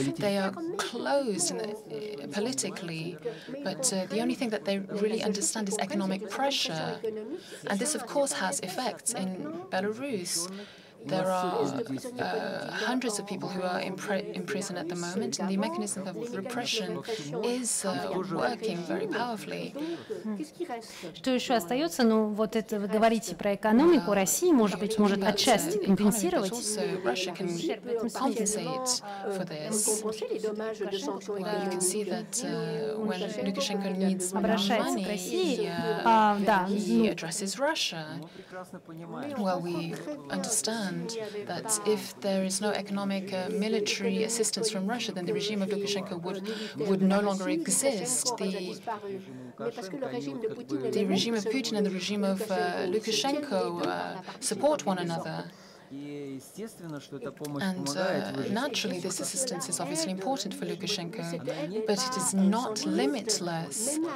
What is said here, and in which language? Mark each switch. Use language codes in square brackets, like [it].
[en] They are closed politically, but the only thing that they really understand is economic pressure. And this, of course, has effects in Belarus. There are hundreds of people who are in prison at the moment, and the mechanism of repression is working very powerfully. [ru] Что еще остается? Ну, вот это вы говорите про экономику России, может быть, может отчасти компенсировать. [en] That if there is no economic military assistance from Russia, then the regime of Lukashenko would no longer exist. The regime of Putin and the regime of Lukashenko support one another. And naturally, this assistance is obviously important for Lukashenko, but it is not limitless.